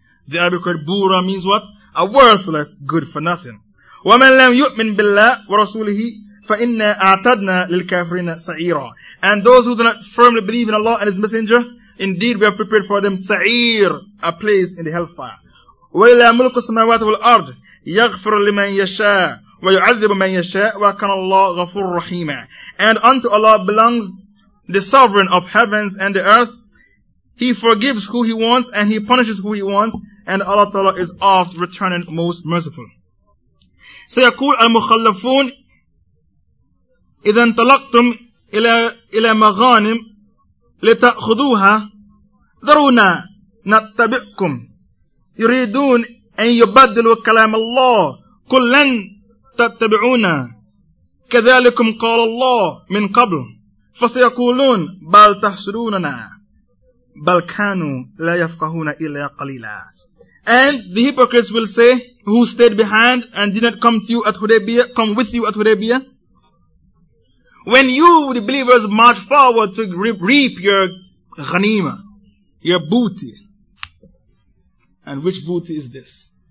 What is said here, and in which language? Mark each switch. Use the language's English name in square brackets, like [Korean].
[English] The Arabic word bura means what? A worthless, good for nothing. [Arabic] وَمَنْ لَمْ يُؤْمِنْ بِاللَّهِ وَرَسُولِهِ فَإِنَّا أَعْتَدْنَا لِلْكَافِرِينَ سَعِيرًا. [English] And those who do not firmly believe in Allah and his messenger, indeed we have prepared for them sa'ir, a place in the hellfire. [Arabic] وَلِلَّهِ مُلْكُ السَّمَاوَاتِ وَالْأَرْضِ يغفر لمن يشاء ويعذب من يشاء وكان الله غفور رحيما. [English] And unto Allah belongs the sovereign of heavens and the earth. He forgives who he wants and he punishes who he wants. And Allah Ta'ala is oft returning most merciful. [Arabic] سيقول المخلفون إذا انطلقتم إلى مغانم لتأخذوها ذرونا نتبعكم يريدون أن يبدلوا كلام الله كلن تتبعونا كذلكم قال الله من قبل فسيقولون بل تحسروننا بل كانوا لا يفقهون إلا قليلا. [English] And the hypocrites will say, who stayed behind and did not come to you at Hudaybiyah, come with you at Hudaybiyah? When you, the believers, march forward to reap your ghanima, your booty. And which booty is this?